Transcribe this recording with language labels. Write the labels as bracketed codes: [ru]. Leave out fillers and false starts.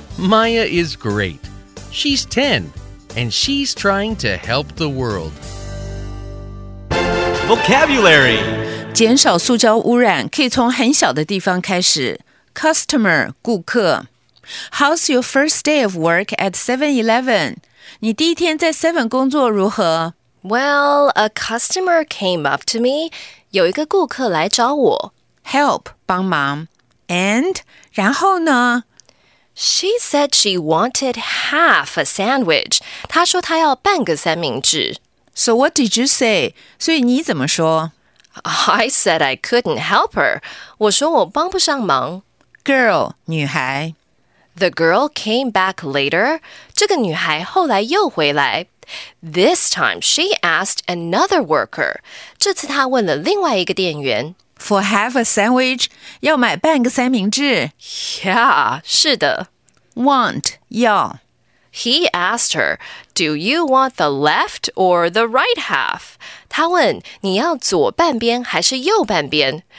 [en] Maya is great. She's 10, and she's trying to help the world. Vocabulary. [zh] 减少塑胶污染可以从很小的地方开始。 [en] Customer, [zh] 顾客。 [en] How's your first day of work at 7-Eleven? [zh] 你第一天在 Seven 工作如何？ [en] Well, a customer came up to me. [zh] 有一个顾客来找我。 [en] Help, [zh] 帮忙。 [en] And, [zh] 然后呢？ [en] She said she wanted half a sandwich. [zh] 她说她要半个三明治。 [en] So what did you say? [zh] 所以你怎么说？ [en] I said I couldn't help her. [zh] 我说我帮不上忙。 [en] Girl, [zh] 女孩。 [en] The girl came back later. [zh] 这个女孩后来又回来。 [en] This time she asked another worker. [zh] 这次她问了另外一个店员。 [en] For half a sandwich, [zh] 要买半个三明治。 [en] Yeah, [zh] 是的。 [en] Want, [zh] 要。 [en] He asked her, do you want the left or the right half? [zh] 他问你要左半边还是右半边。